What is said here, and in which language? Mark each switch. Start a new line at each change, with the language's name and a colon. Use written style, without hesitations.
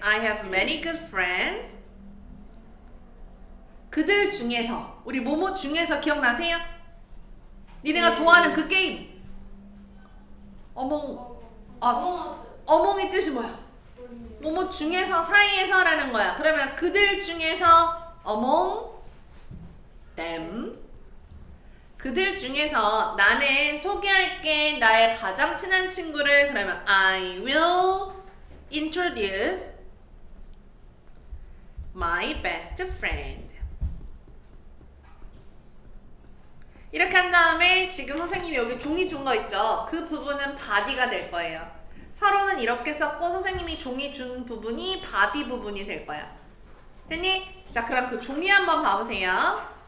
English: I have many good friends.
Korean: 그들 중에서 우리 모모 중에서 기억나세요? 니네가 좋아하는 그 게임. 어몽 어스. 어몽의 뜻이 뭐야? 모모 중에서 사이에서 라는 거야. 그러면 그들 중에서 어몽 them. 그들 중에서 나는 소개할게 나의 가장 친한 친구를. 그러면
English: I will introduce my best friend.
Korean: 이렇게 한 다음에 지금 선생님이 여기 종이 준 거 있죠? 그 부분은 바디가 될 거예요. 서로는 이렇게 썼고 선생님이 종이 준 부분이 바디 부분이 될 거야. 됐니? 자, 그럼 그 종이 한번 봐보세요.